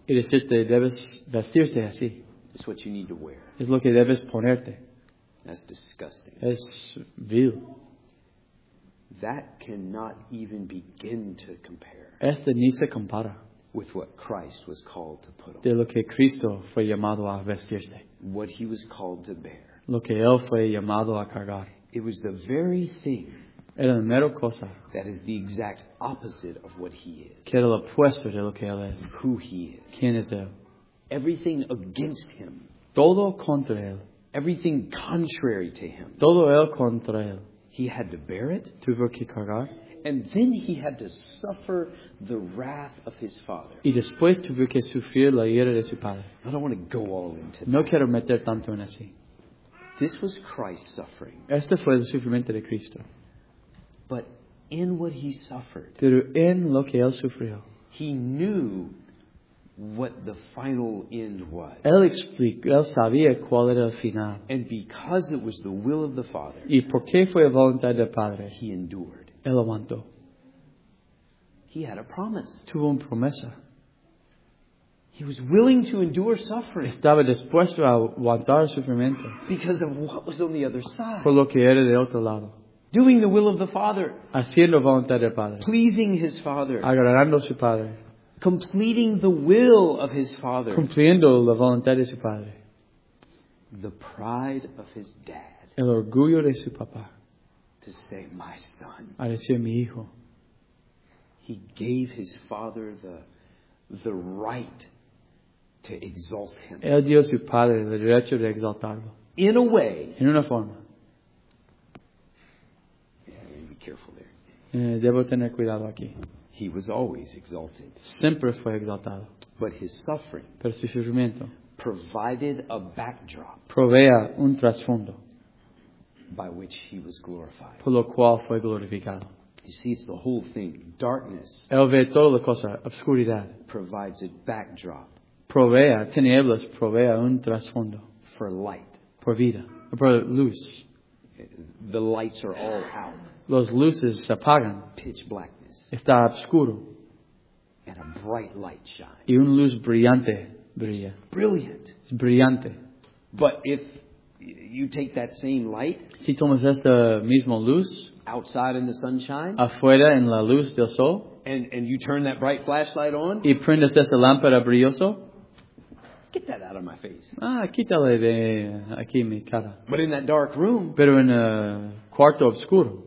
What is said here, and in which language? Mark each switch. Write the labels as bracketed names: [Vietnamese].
[Spanish] Y decirte debes vestirte así. [English] It's what you need to wear. [Spanish] Es lo que debes ponerte. [English] That's disgusting. [Spanish] Es vil. [English] That cannot even begin to compare. [Spanish] Este ni se compara. [English] with what Christ was called to put on. [Spanish] De lo que Cristo fue llamado a vestirse. [English] What he was called to bear. [Spanish] Lo que él fue llamado a cargar. [English] It was the very thing. [Spanish] Era la mera cosa. [English] That is the exact opposite of what he is. [Spanish] Que era lo opuesto de lo que él es. [English] Who he is. [Spanish] Quién es él. [English] Everything against him. [Spanish] Todo contra él. [English] Everything contrary to him. [Spanish] Todo él contra él. [English] He had to bear it. [Spanish] Tuvo que cargar. [English] And then he had to suffer the wrath of his father. [Spanish] Y después tuvo que sufrir la ira de su padre. [English] I don't want to go all into [Spanish] that. No quiero meter tanto en así. [English] This was Christ's suffering. [Spanish] Este fue el sufrimiento de Cristo. [English] But in what he suffered. [Spanish] Pero en lo que él sufrió. [English] He knew what the final end was. [Spanish] Él explicó, él sabía cuál era el final. [English] And because it was the will of the Father. [Spanish] Y porque fue la voluntad del Padre. [English] He endured. [Spanish] Él aguantó. [English] He had a promise. [Spanish] Tuvo una promesa. [English] He was willing to endure suffering. [Spanish] Estaba dispuesto a aguantar sufrimiento. [English] Because of what was on the other side. [Spanish] Por lo que era de otro lado. [English] Doing the will of the Father. [Spanish] Haciendo voluntad del Padre. [English] Pleasing his Father. [Spanish] Agradando a su Padre. [English] Completing the will of his Father. [Spanish] Cumpliendo la voluntad de su Padre. [English] The pride of his dad. [Spanish] El orgullo de su papá. [English] To say, my son. [Spanish] A decir, mi hijo. [English] He gave his father the right to exalt him. [Spanish] Él dio a su padre el derecho de exaltarlo. [English] In a way. [Spanish] En una forma. [English] Yeah, be careful there. [Spanish] Debo tener cuidado aquí. [English] He was always exalted. [Spanish] Siempre fue exaltado. [English] But his suffering. [Spanish] Pero su sufrimiento. [English] Provided a backdrop. [Spanish] Provea un trasfondo. [English] By which he was glorified. [Spanish] Por lo cual fue glorificado. [English] He sees the whole thing. Darkness. [Spanish] Él ve toda la cosa. Obscuridad. [English] Provides a backdrop. [Spanish] Provea. Tinieblas. Provea un trasfondo. [English] For light. [Spanish] Por vida. Por luz. [English] The lights are all out. [Spanish] Los luces se apagan. [English] Pitch blackness. [Spanish] Está obscuro. [English] And a bright light shines. [Spanish] Y una luz brillante brilla. [English] It's brilliant. [Spanish] Es brillante. [English] But if you take that same light. [Spanish] Si tomas esta misma luz. [English] Outside in the sunshine. [Spanish] Afuera en la luz del sol. [English] And you turn that bright flashlight on. [Spanish] Y prendes esta lámpara brilloso. [English] Get that out of my face. [Spanish] Ah, quítale de aquí mi cara. [English] But in that dark room. [Spanish] Pero en un cuarto oscuro.